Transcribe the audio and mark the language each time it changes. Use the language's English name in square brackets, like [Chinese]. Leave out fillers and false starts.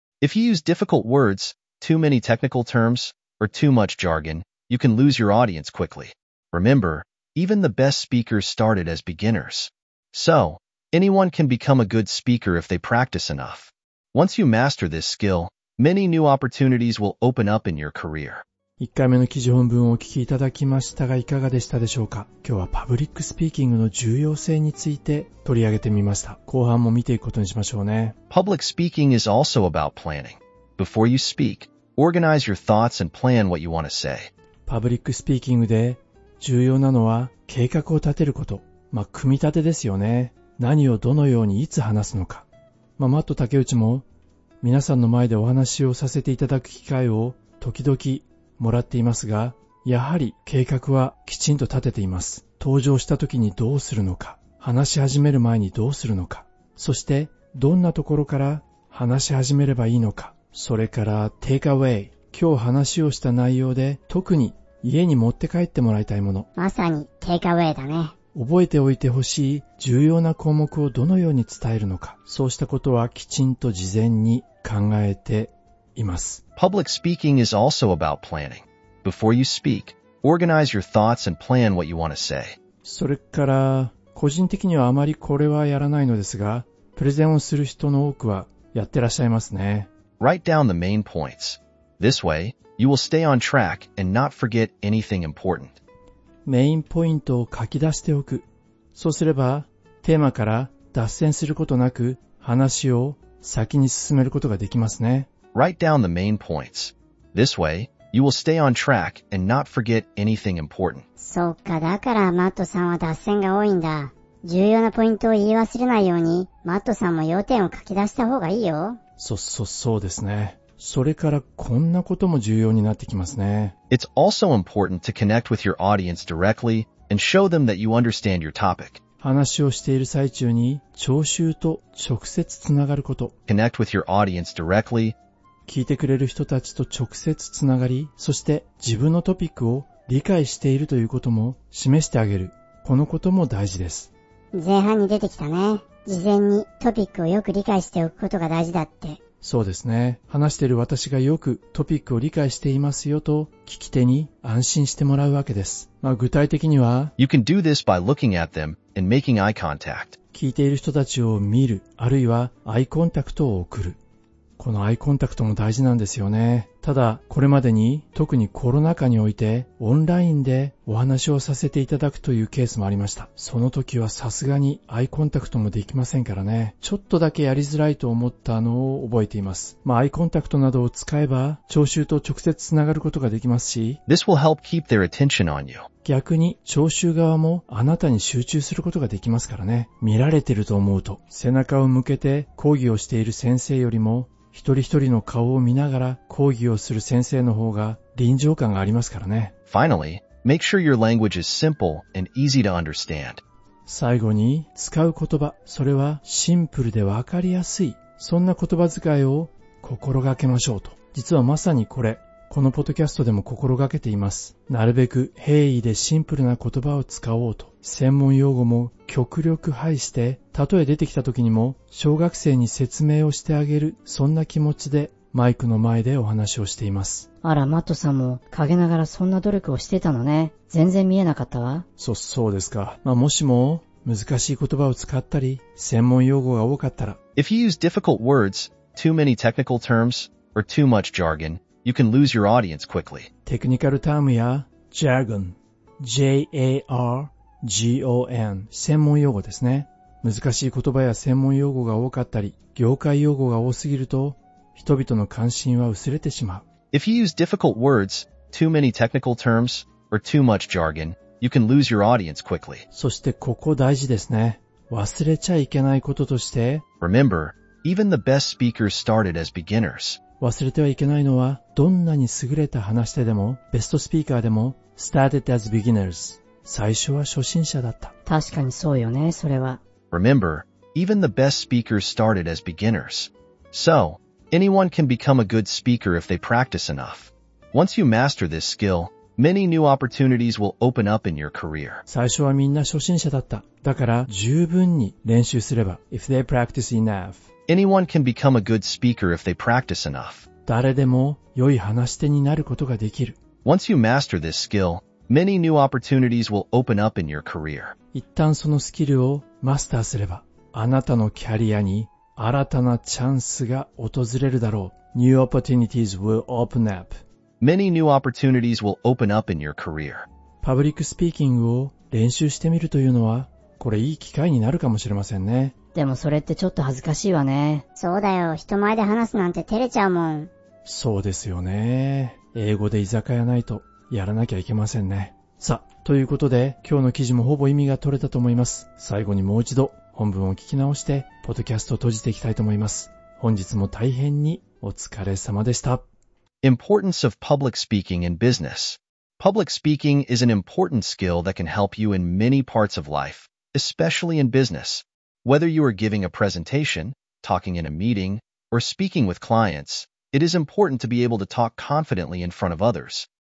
[English] If you use difficult words, too many technical terms, or too much jargon, you can lose your audience quickly. Remember, even the best speakers started as beginners. So, anyone can become a good speaker if they practice enough. Once you master this skill, many new opportunities will open up in your career. [Japanese] 1回目の記事本文をお聞きいただきましたが、いかがでしたでしょうか。今日はパブリックスピーキングの重要性について取り上げてみました。後半も見ていくことにしましょうね。 [English] Public speaking is also about planning. Before you speak, organize your thoughts and plan what you want to say. [Japanese] パブリックスピーキングで重要なのは計画を立てること。まあ、組み立てですよね。何をどのようにいつ話すのか。まあ、マット竹内も皆さんの前でお話をさせていただく機会を時々もらっていますが、やはり計画はきちんと立てています。登場した時にどうするのか、話し始める前にどうするのか、そしてどんなところから話し始めればいいのか、それからテイクアウェイ、今日話をした内容で特に家に持って帰ってもらいたいもの、まさにテイクアウェイだね。覚えておいてほしい重要な項目をどのように伝えるのか、そうしたことはきちんと事前に考えています。 [English] Public speaking is also about planning. Before you speak, organize your thoughts and plan what you want to say. [Japanese] それから、個人的にはあまりこれはやらないのですが、プレゼンをする人の多くはやってらっしゃいますね。 [English] Write down the main points. This way, you will stay on track and not forget anything important. [Japanese] メインポイントを書き出しておく。そうすれば、テーマから脱線することなく話を先に進めることができますね。 [English] Write down the main points. This way, you will stay on track and not forget anything important. [Japanese] そうか、だからマットさんは脱線が多いんだ。重要なポイントを言い忘れないように、マットさんも要点を書き出した方がいいよ。そうですね。それからこんなことも重要になってきますね。 [English] It's also important to connect with your audience directly and show them that you understand your topic. [Japanese] 話をしている最中に聴衆と直接つながること。 [English] Connect with your audience directly. [Japanese] 聞いてくれる人たちと直接つながり、そして自分のトピックを理解しているということも示してあげる。このことも大事です。前半に出てきたね。事前にトピックをよく理解しておくことが大事だって。そうですね。話している私がよくトピックを理解していますよと聞き手に安心してもらうわけです。まあ具体的には、 [English] You can do this by looking at them and making eye contact. [Japanese] 聞いている人たちを見る、あるいはアイコンタクトを送る。このアイコンタクトも大事なんですよね。ただこれまでに特にコロナ禍においてオンラインでお話をさせていただくというケースもありました。その時はさすがにアイコンタクトもできませんからね。ちょっとだけやりづらいと思ったのを覚えています。まあアイコンタクトなどを使えば聴衆と直接つながることができますし、 [English] This will help keep their attention on you. [Japanese] 逆に聴衆側もあなたに集中することができますからね。見られてると思うと背中を向けて講義をしている先生よりも一人一人の顔を見ながら講義をする先生の方が臨場感がありますからね。 [English] Finally, make sure your language is simple and easy to understand. [Japanese] 最後に使う言葉、それはシンプルでわかりやすい。そんな言葉遣いを心がけましょうと。実はまさにこれ、このポッドキャストでも心がけています。なるべく平易でシンプルな言葉を使おうと。専門用語も極力排して、たとえ出てきた時にも小学生に説明をしてあげる、そんな気持ちでマイクの前でお話をしています。あら、マットさんも陰ながらそんな努力をしてたのね。全然見えなかったわ。そうですか。まあ、もしも難しい言葉を使ったり、専門用語が多かったら。 [English] If you use difficult words, too many technical terms, or too much jargon,You can lose your audience quickly. [Japanese] テクニカルタームやジャーゴン、J-A-R-G-O-N、専門用語ですね。難しい言葉や専門用語が多かったり、業界用語が多すぎると、人々の関心は薄れてしまう。 [English] If you use difficult words, too many technical terms, or too much jargon, you can lose your audience quickly. [Japanese] そしてここ大事ですね。忘れちゃいけないこととして、 [English] Remember, even the best speakers started as beginners. [Japanese] 忘れてはいけないのは、どんなに優れた話し手でも、ベストスピーカーでも、 [English] started as beginners. [Japanese] 最初は初心者だった。確かにそうよね、それは。 [English] Remember, even the best speakers started as beginners. So, anyone can become a good speaker if they practice enough. Once you master this skill,Many new opportunities will open up in your career. [Japanese] 最初はみんな初心者だった。だから十分に練習すれば。 [English] If they practice enough. Anyone can become a good speaker if they practice enough. [Japanese] 誰でも良い話し手になることができる。 [English] Once you master this skill, many new opportunities will open up in your career. [Japanese] 一旦そのスキルをマスターすれば、あなたのキャリアに新たなチャンスが訪れるだろう。 [English] New opportunities will open up. Many new opportunities will open up in your career. [Japanese] パブリックスピーキングを練習してみるというのは、これいい機会になるかもしれませんね。でもそれってちょっと恥ずかしいわね。そうだよ、人前で話すなんて照れちゃうもん。そうですよね。英語で居酒屋ないとやらなきゃいけませんね。さ、ということで今日の記事もほぼ意味が取れたと思います。最後にもう一度本文を聞き直してポッドキャストを閉じていきたいと思います。本日も大変にお疲れ様でした。 [English] Importance of public speaking in business. Public speaking is an important skill that can help you in many parts of life, especially in business. Whether you are giving a presentation, talking in a meeting, or speaking with clients, it is important to be able to talk confidently in front of others.